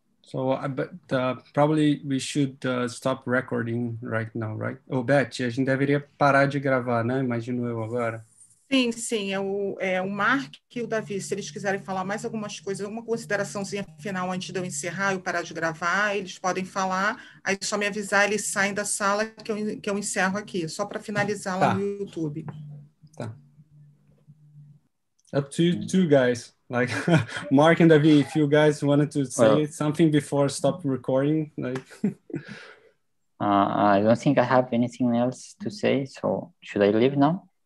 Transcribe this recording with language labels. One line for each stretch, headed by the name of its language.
English: But probably we should stop recording right now, right?
Portuguese: Oh, Beth, a gente deveria parar de gravar, né? Imagino eu agora. Sim, sim. O Mark e o Davi, se eles quiserem falar mais algumas coisas, alguma consideraçãozinha final antes de eu encerrar e eu parar de gravar, eles podem falar. Aí só me avisar, eles saem da sala que eu encerro aqui, só para finalizar lá no YouTube.
English: Tá. Up to you two guys. Like, Mark and Davi, if you guys wanted to say something before I stop recording, like... I don't think I have anything else to say, so should I leave now?